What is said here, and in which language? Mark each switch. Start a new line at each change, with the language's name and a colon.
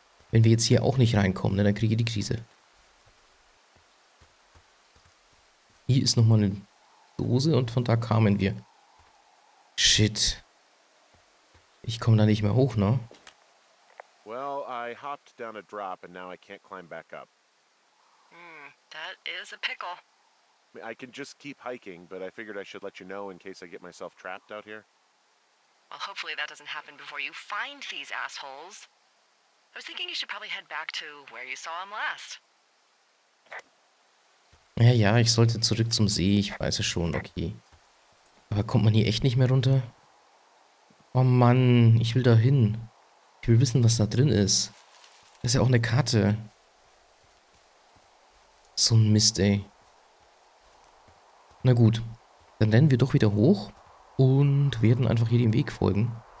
German: Wenn wir jetzt hier auch nicht reinkommen, ne, dann kriege ich die Krise. Hier ist nochmal eine Dose und von da kamen wir. Shit. Ich komme da nicht mehr hoch, ne?
English: Well, I hopped down a drop and now I can't climb back up. That is a pickle. I can just keep hiking, but I figured I should let you know in case I get myself trapped out here. Well, hopefully that doesn't happen before you find these assholes. I was thinking you should probably head back to where you saw him last.
German: Ja, ich sollte zurück zum See, ich weiß es schon, okay. Aber kommt man hier echt nicht mehr runter? Oh Mann, ich will da hin. Ich will wissen, was da drin ist. Das ist ja auch eine Karte. So ein Mist, ey. Na gut, dann rennen wir doch wieder hoch und werden einfach hier dem Weg folgen.